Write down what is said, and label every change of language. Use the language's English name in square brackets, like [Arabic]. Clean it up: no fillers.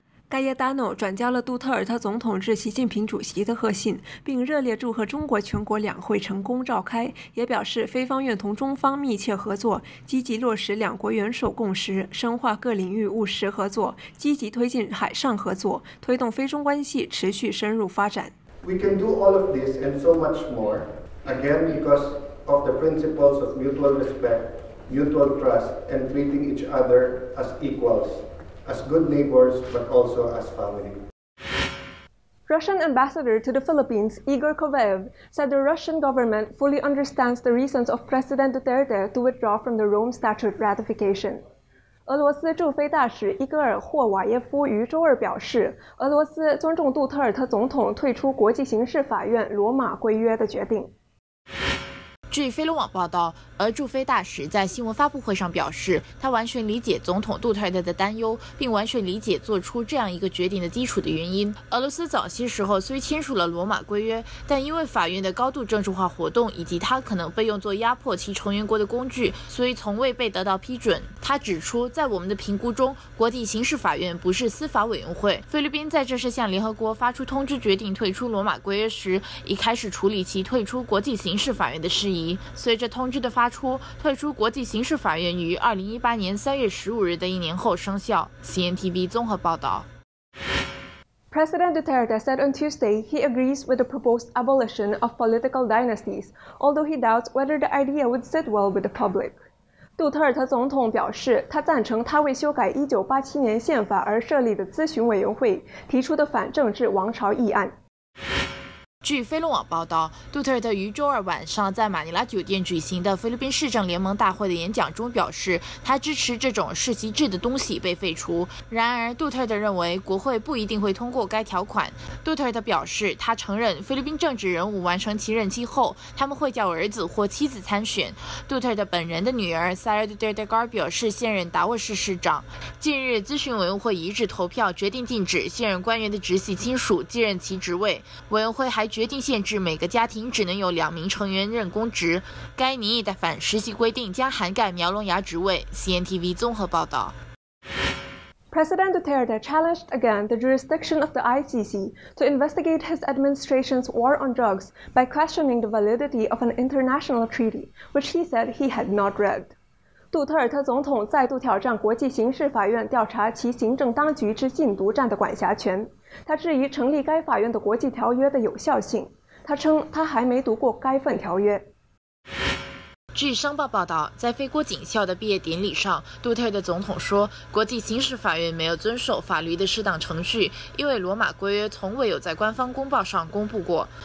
[Chinese] Cayetano 转交了杜特尔特总统致习近平主席的贺信，并热烈祝贺中国全国两会成功召开，也表示菲方愿同中方密切合作，积极落实两国元首共识，深化各领域务实合作，积极推进海上合作，推动菲中关系持续深入发展。 [English] We can do all of this and so much more, again because of the principles of mutual respect, mutual trust, and treating each other as equals. As good neighbors, but also as family. Russian Ambassador to the Philippines, Igor Khovaev, said the Russian government fully understands the reasons of President Duterte to withdraw from the Rome Statute ratification. [Chinese] 俄罗斯驻菲大使伊戈尔·霍瓦耶夫于周二表示，俄罗斯尊重杜特尔特总统退出国际刑事法院罗马规约的决定。据菲龙网报道，俄驻菲大使在新闻发布会上表示，他完全理解总统杜特尔特的担忧，并完全理解做出这样一个决定的基础的原因。俄罗斯早些时候虽签署了罗马规约，但因为法院的高度政治化活动以及他可能被用作压迫其成员国的工具，所以从未被得到批准。他指出，在我们的评估中，国际刑事法院不是司法委员会。菲律宾在这次向联合国发出通知决定退出罗马规约时，已开始处理其退出国际刑事法院的事宜。随着通知的发出，退出国际刑事法院于2018年3月15日的一年后生效。 CNTV 综合报道。 [English] President Duterte said on Tuesday he agrees with the proposed abolition of political dynasties, although he doubts whether the idea would sit well with the public. [Chinese] 杜特尔特总统表示，他赞成他为修改1987年宪法而设立的咨询委员会提出的反政治王朝议案。据菲龙网报道，杜特尔特于周二晚上在马尼拉酒店举行的菲律宾市政联盟大会的演讲中表示，他支持这种世袭制的东西被废除。然而，杜特尔特认为国会不一定会通过该条款。杜特尔特表示，他承认菲律宾政治人物完成其任期后，他们会叫儿子或妻子参选。杜特尔特本人的女儿塞尔杜特尔特·戈尔表示，现任达沃市市长。近日，咨询委员会一致投票决定禁止现任官员的直系亲属继任其职位。委员会还决定限制每个家庭只能有2名成员任公职，该拟议的反实习规定将涵盖苗龙牙职位。 CNTV 综合报道。 [English] President Duterte challenged again the jurisdiction of the ICC to investigate his administration's war on drugs by questioning the validity of an international treaty, which he said he had not read. [Chinese] 杜特尔特总统再度挑战国际刑事法院调查其行政当局之禁毒战的管辖权。他质疑成立该法院的国际条约的有效性。他称他还没读过该份条约。据商报报道，在菲国警校的毕业典礼上，杜特尔特总统说，国际刑事法院没有遵守法律的适当程序，因为罗马规约从未有在官方公报上公布过。